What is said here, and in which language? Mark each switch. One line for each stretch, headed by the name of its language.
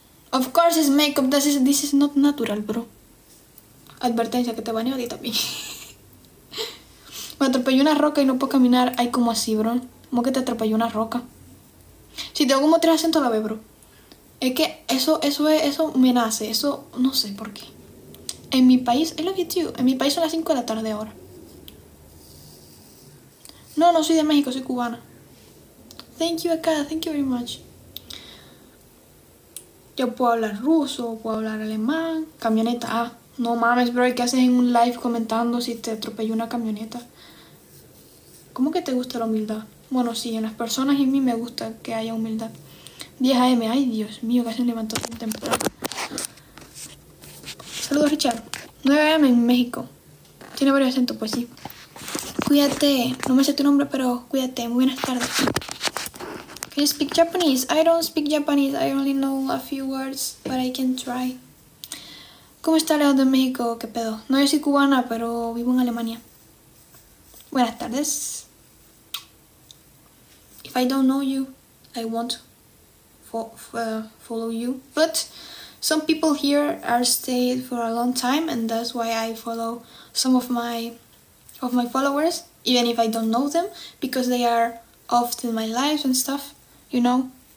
English: Of course it's makeup, this is not natural, bro.
Spanish: Advertencia, que te baneo a ti también. Me atropelló una roca y no puedo caminar. Ay, ¿cómo así, bro? ¿Cómo que te atropelló una roca? Si tengo como tres acentos, la ve, bro. Es que eso me nace, eso no sé por qué. En mi país,
English: I love you too.
Spanish: En mi país son las 5 de la tarde ahora. No, no soy de México, soy cubana.
English: Thank you, Akada, thank you very much.
Spanish: Yo puedo hablar ruso, puedo hablar alemán. Camioneta, ah, no mames, bro. ¿Qué haces en un live comentando si te atropelló una camioneta? ¿Cómo que te gusta la humildad? Bueno, sí, en las personas y en mí me gusta que haya humildad. 10 a.m. Ay, Dios mío, casi me levantó tan temprano. Saludos, Richard. 9 a.m. en México. Tiene varios acentos, pues sí. Cuídate. No me sé tu nombre, pero cuídate. Muy buenas tardes.
English: Can you speak Japanese? I don't speak Japanese. I only know a few words, but I can try.
Spanish: ¿Cómo está lejos de México? ¿Qué pedo? No, yo soy cubana, pero vivo en Alemania. Buenas tardes.
English: If I don't know you, I won't follow you, but some people here are stayed for a long time, and that's why I follow some of my followers, even if I don't know them, because they are often my lives and stuff, you know.